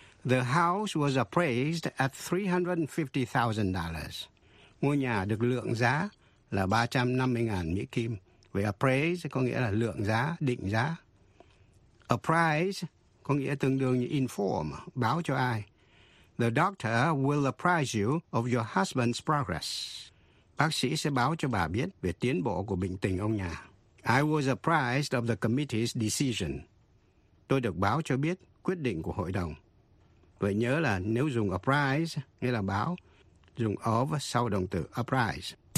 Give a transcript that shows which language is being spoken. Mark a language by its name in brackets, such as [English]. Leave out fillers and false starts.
[English] The house was appraised at $350,000. [Vietnamese] Ngôi nhà được lượng giá là 350.000 Mỹ Kim. Vậy a praise có nghĩa là lượng giá, định giá. A prize có nghĩa tương đương như inform, báo cho ai. [English] The doctor will apprise you of your husband's progress. [Vietnamese] Bác sĩ sẽ báo cho bà biết về tiến bộ của bệnh tình ông nhà. [English] I was apprised of the committee's decision. [Vietnamese] Tôi được báo cho biết quyết định của hội đồng. Vậy nhớ là nếu dùng apprise, nghĩa là báo, dùng of sau động từ apprise.